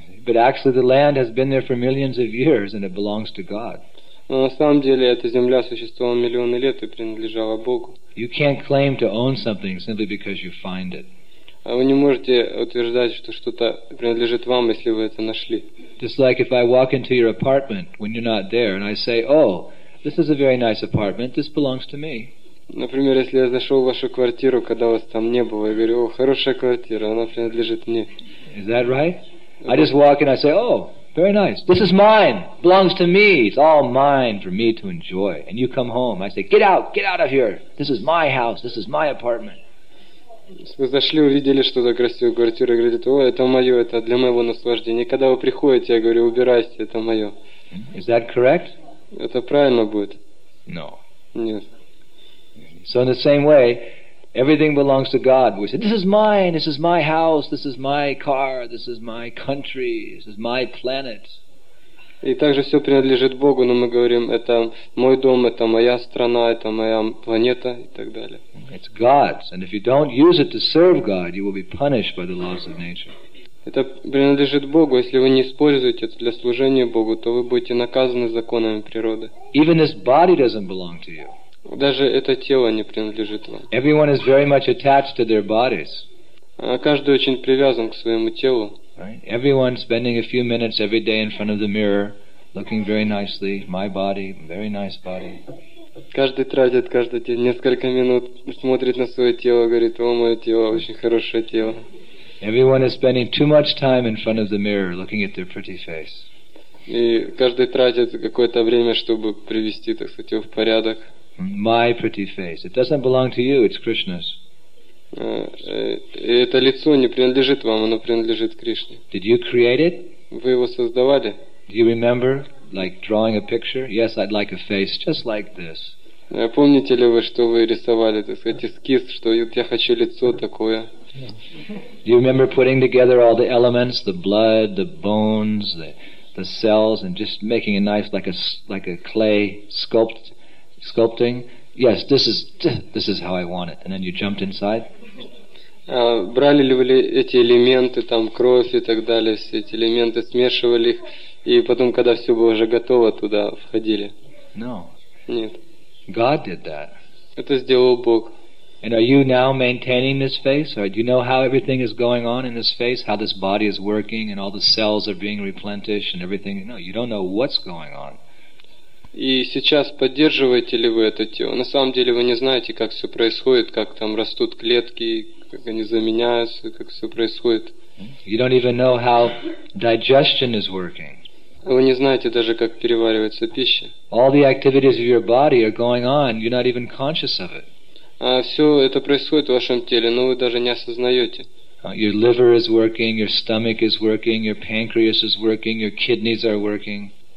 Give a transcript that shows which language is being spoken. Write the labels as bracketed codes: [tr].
[en] But actually the land has been there for millions of years and it belongs to God. [ru] Но на самом деле эта земля существовала миллионы лет и принадлежала Богу. [en] You can't claim to own something simply because you find it. [ru] А вы не можете утверждать, что что-то принадлежит вам, если вы это нашли. [en] Just like if I walk into your apartment when you're not there and I say, oh, this is a very nice apartment, this belongs to me. [ru] Например, если я зашел в вашу квартиру, когда вас там не было, и говорю, о, хорошая квартира, она принадлежит мне. [en] Is that right? I just walk in, I say, oh, very nice, this is mine, belongs to me, it's all mine for me to enjoy. And you come home, I say, get out of here, this is my house, this is my apartment. [ru] Вы зашли, увидели что-то красивую квартиру, и говорите, о, это мое, это для моего наслаждения. Когда вы приходите, я говорю, убирайся, это мое. [en] Is that correct? [ru] Это правильно будет? [en] No. [ru] Нет. [en] So in the same way, everything belongs to God. We say, this is mine, this is my house, this is my car, this is my country, this is my planet. [ru] И также все принадлежит Богу, но мы говорим, это мой дом, это моя страна, это моя планета и так далее. [en] It's God's, and if you don't use it to serve God, you will be punished by the laws of nature. [ru] Это принадлежит Богу, если вы не используете это для служения Богу, то вы будете наказаны законами природы. [en] Even this body doesn't belong to you. [ru] Даже это тело не принадлежит вам. [en] Everyone is very much attached to their bodies. [ru] Каждый очень привязан к своему телу. [en] Right? Everyone spending a few minutes every day in front of the mirror, looking very nicely. My body, very nice body. [ru] Каждый тратит каждый день несколько минут, смотрит на свое тело, говорит, о, мое тело, очень хорошее тело. [en] Everyone is spending too much time in front of the mirror, looking at their pretty face. [ru] И каждый тратит какое-то время, чтобы привести, так сказать, его в порядок. [en] My pretty face. It doesn't belong to you, it's Krishna's. [ru] Это лицо не принадлежит вам, оно принадлежит Кришне. [en] Did you create it? [ru] Вы его создавали? [en] Do you remember, like drawing a picture? Yes, I'd like a face just like this. [ru] Помните ли вы, что вы рисовали, так сказать, эскиз, что я хочу лицо такое? [en] Do you remember putting together all the elements, the blood, the bones, the cells, and just making a nice, like a clay sculpting? Yes, this is how I want it. And then you jumped inside. [ru] Брали ли вы эти элементы, там кровь и так далее, все эти элементы, смешивали их, и потом, когда все было уже готово, туда входили? [en] No. [ru] Нет. [en] God did that. [ru] Это сделал Бог. [en] And are you now maintaining this face? Or do you know how everything is going on in this face? How this body is working and all the cells are being replenished and everything? No, you don't know what's going on. [ru] И сейчас поддерживаете ли вы это тело? На самом деле вы не знаете, как все происходит, как там растут клетки, как они заменяются, как все происходит. [en] You don't even know how digestion is working. [ru] Вы не знаете даже, как переваривается пища. [en] All the activities of your body are going on, you're not even conscious of it. [ru] Все это происходит в вашем теле, но вы даже не осознаете. [en] Your liver is working, your stomach is working, your pancreas is working, your kidneys are working.